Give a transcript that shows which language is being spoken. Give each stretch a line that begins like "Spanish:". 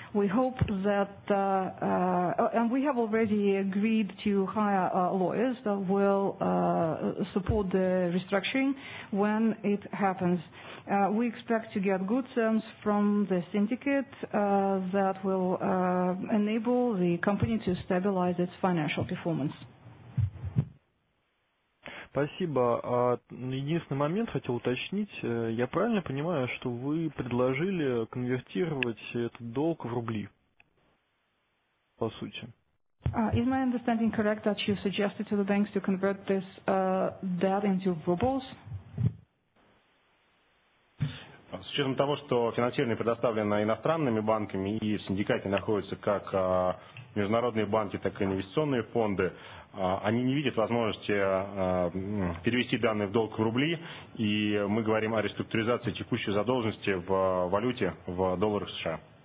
English: We hope that and we have already agreed to hire lawyers that will support the restructuring when it happens. We expect to get good terms from the syndicate that will enable the company to stabilize its financial performance.
Russian: Спасибо. Единственный момент хотел уточнить. Я правильно понимаю, что вы предложили конвертировать этот долг в рубли? По сути.
English: Is my understanding correct that you suggested to the banks to convert this debt into rubles?
Russian: С учетом того, что финансирование предоставлено иностранными банками и в синдикате находится как международные банки, так и инвестиционные фонды, они не видят возможности перевести данные в долг в рубли, и мы говорим о реструктуризации текущей задолженности в валюте, в долларах США.